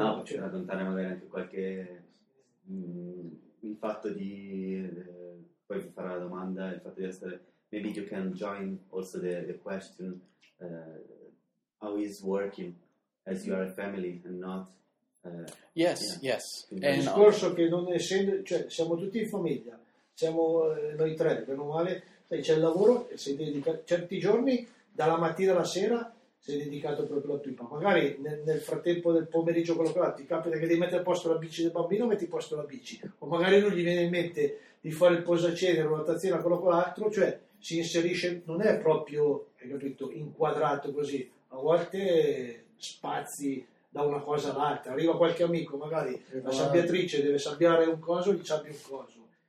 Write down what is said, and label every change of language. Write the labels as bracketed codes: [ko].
[it] No, c'è da contare magari anche qualche il fatto di poi vi farà la domanda, il fatto di essere. [en] Maybe you can join also the question, how is working as you are a family and not... Yes. [it] Il discorso che non essendo... Cioè, siamo tutti in famiglia, siamo noi tre, per non male, c'è il lavoro, certi giorni, dalla mattina alla sera, sei dedicato proprio alla pipa. Magari nel frattempo del pomeriggio quello che va, ti capita che devi mettere a posto la bici del bambino, metti a posto la bici, o magari non gli viene in mente di fare il posacenere, la rotazione, quello con l'altro, cioè si inserisce, non è proprio, hai capito, inquadrato così, a volte spazi da una cosa all'altra, arriva qualche amico, magari la sabbiatrice deve sabbiare un coso, gli sabbia un coso,